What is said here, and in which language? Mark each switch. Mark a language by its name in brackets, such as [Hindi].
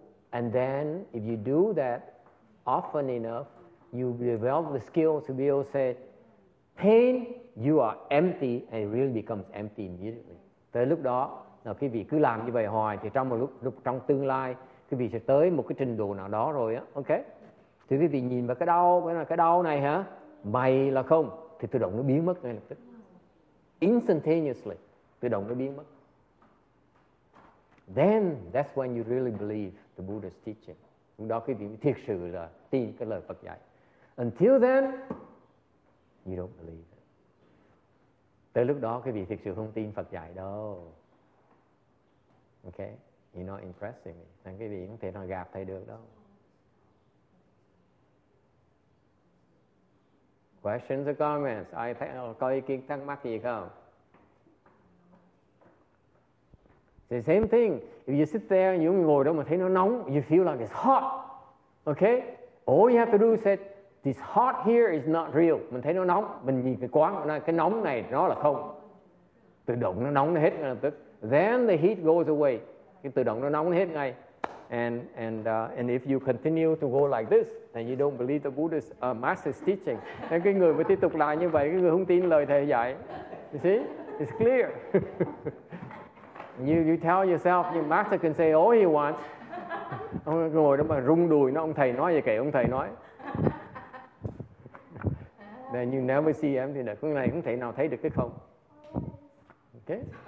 [English] And then, if you do that often enough, you develop the skill to be able to say, pain, you are empty, and it really becomes empty immediately. [Vietnamese] Tới lúc đó, là cái vị cứ làm như vậy hoài, thì trong một lúc trong tương lai, cái vị sẽ tới một cái trình độ nào đó rồi á, ok? Thì cái vị nhìn vào cái đau này hả? Mày là không, thì tự động nó biến mất ngay lập tức. Instantaneously, tự động nó biến mất. [English] Then, that's when you really believe the Buddha's teaching. [Vietnamese] Lúc đó quý vị thiệt sự là tin cái lời Phật dạy. [English] Until then, you don't believe it. [Vietnamese] Tới lúc đó quý vị thiệt sự không tin Phật dạy đâu. [English] Okay? You're not impressing me. [Vietnamese] Nên quý vị không thể nào gạt thầy được đâu. [English] Questions or comments? [Vietnamese] Ai có ý kiến thắc mắc gì không? [English] The same thing. If you sit there and you [Vietnamese] ngồi đó mà thấy nó nóng, [English] you feel like it's hot. Okay? All you have to do is say, this hot here is not real. [Vietnamese] Mình thấy nó nóng, mình nhìn cái quán, cái nóng này nó là không. Tự động nó nóng hết ngay lập tức. [English] Then the heat goes away. [Vietnamese] Cái tự động nó nóng hết ngay. [English] And if you continue to go like this, then you don't believe the Buddha's master's teaching. [Vietnamese] Nên cái người mà tiếp tục lại như vậy, cái người không tin lời thầy dạy. [English] You see? It's clear. You tell yourself, your master can say all he wants. [Vietnamese] Ông ngồi đó mà rung đùi nó, ông thầy nói vậy kệ ông thầy nói. [English] Then you never see [Vietnamese] em thì được. Cái này không thể nào thấy được cái không. Okay.